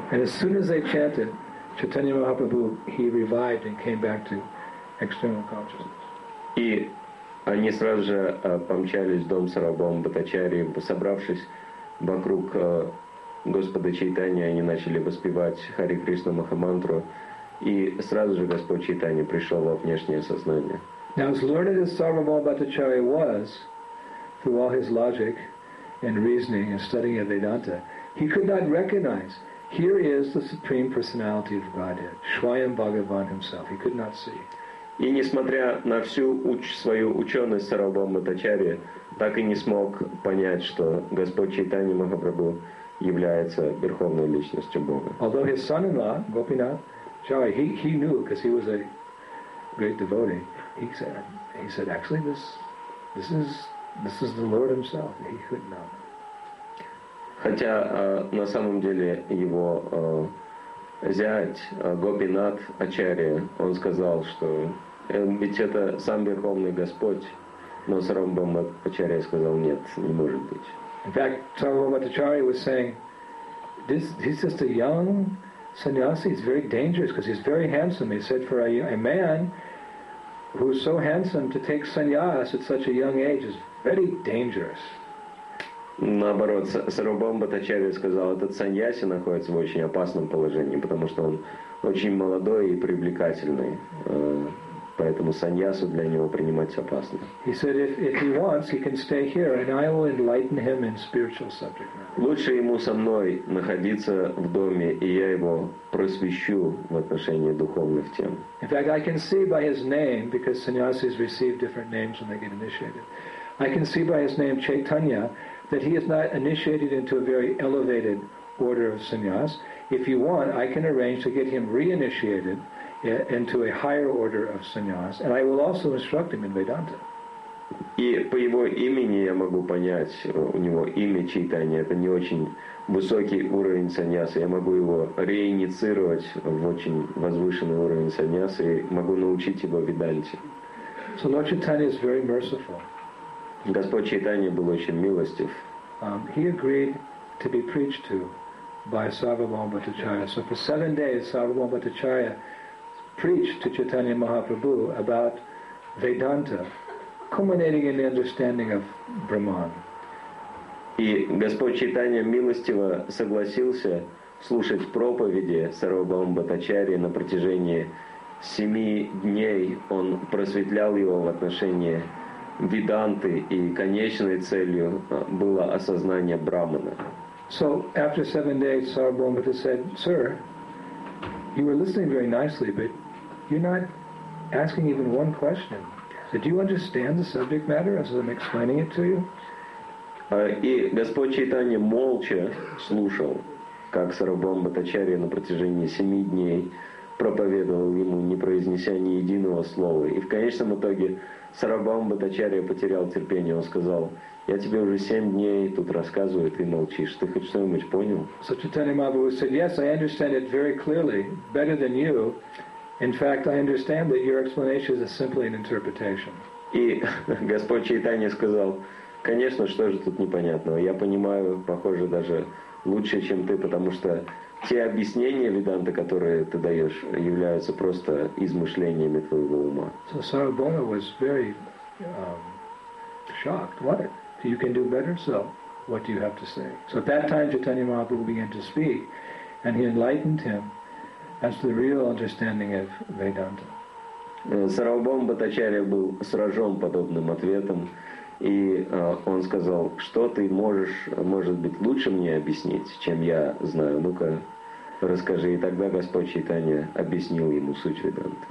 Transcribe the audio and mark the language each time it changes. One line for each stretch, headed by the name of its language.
English: And as soon as they chanted, Chaitanya Mahaprabhu, he revived and came back to external consciousness.
Russian: Они сразу же помчались в дом Сарвабхаума Бхаттачарьи, собравшись вокруг Господа Чайтаньи, они начали воспевать Хари Кришна Махамантру, и сразу же Господь Чайтаньи пришел во внешнее сознание.
English: Now, as learned as Sarvabhauma Bhattacharya was, through all his logic and reasoning and studying of Vedanta, he could not recognize, here is the Supreme Personality of Godhead, Swayam Bhagavan himself, he could not see.
Russian: И несмотря на всю свою ученость, Сарвабхаума Бхаттачарья так и не смог понять, что Господь Чайтанья Махапрабху является Верховной Личностью Бога.
English: Although his son-in-law, Gopinath Chari, he knew, because he was a great devotee, he said, actually, this is the Lord himself. He could not.
Russian: Хотя на самом деле его зять, Гопинат Ачарья, он сказал, что ведь это сам Верховный Господь, но Сарвабхаума Бхаттачарья сказал, нет, не может быть.
English: In fact, Sarvabhauma Bhattacharya was saying, he's just a young sannyasi, he's very dangerous, because he's very handsome. He said, for a man who's so handsome to take sannyas at such a young age is very dangerous.
Russian: Наоборот, Сарвабхаума Бхаттачарья сказал, этот саньяси находится в очень опасном положении, потому что он очень молодой и привлекательный. Поэтому саньясу для него принимать опасно.
English: He said, if he wants, he can stay here, and I will enlighten him in spiritual subject matter.
Russian: Лучше ему со мной находиться в доме, и я его просвещу в отношении духовных тем.
English: In fact, I can see by his name, because sannyasis receive different names when they get initiated. I can see by his name Chaitanya that he is not initiated into a very elevated order of sannyas. If you want, I can arrange to get him reinitiated into a higher order of sannyas, and I will also instruct him in Vedanta.
Russian: И по его имени я могу понять, у него имя Чайтанья, это не очень высокий уровень саньясы. Я могу его реинициировать в очень возвышенный уровень саньясы и могу научить его Веданте.
English: So Lord Chaitanya is very merciful.
Russian: Господь Чайтанья был очень милостив.
English: He agreed to be preached to by Sarvabhauma Bhattacharya. So for 7 days, Sarvabhauma Bhattacharya preached to Chaitanya Mahaprabhu about Vedanta, culminating in the understanding of Brahman.
Russian: И Господь Чайтанья милостиво согласился слушать проповеди Сарвабхаума Бхаттачарьи на протяжении 7 дней. Он просветлял его в отношении Веданты, и конечной целью было осознание Брахмана.
English: So after 7 days, Sarvabhauma Bhaktacharya said, "Sir, you were listening very nicely, but you're not asking even one question. So do you understand the subject matter as I'm explaining it to you?"
Russian: И Господь Чайтанья молча слушал, как Сарвабхаума Бхаттачарья на протяжении 7 дней проповедовал ему, не произнеся ни единого слова. И в конечном итоге Сарвабхаума Бхаттачарья потерял терпение. Он сказал: "Я тебе уже 7 дней тут рассказываю, ты молчишь. Ты хоть что-нибудь понял?"
English: So Chaitanya Mahaprabhu said, "Yes, I understand it very clearly, better than you. In fact, I understand that your explanation is simply an interpretation."
Russian: И Господь Чайтанья сказал: "Конечно, что же тут непонятного? Я понимаю, похоже, даже лучше, чем ты, потому что те объяснения Веданты, которые ты даешь, являются просто измышлениями твоего ума."
English: So Sarvabhauma was very shocked. What? You can do better? So what do you have to say? So at that time, Chaitanya Mahaprabhu began to speak, and he enlightened him as to the real understanding of Vedanta.
Russian: Сарвабхаума Бхаттачарья был сражен подобным ответом. И он сказал: "Что ты можешь, может быть, лучше мне объяснить, чем я знаю? Ну-ка, расскажи." И тогда Господь Чайтанья объяснил ему суть Веданты.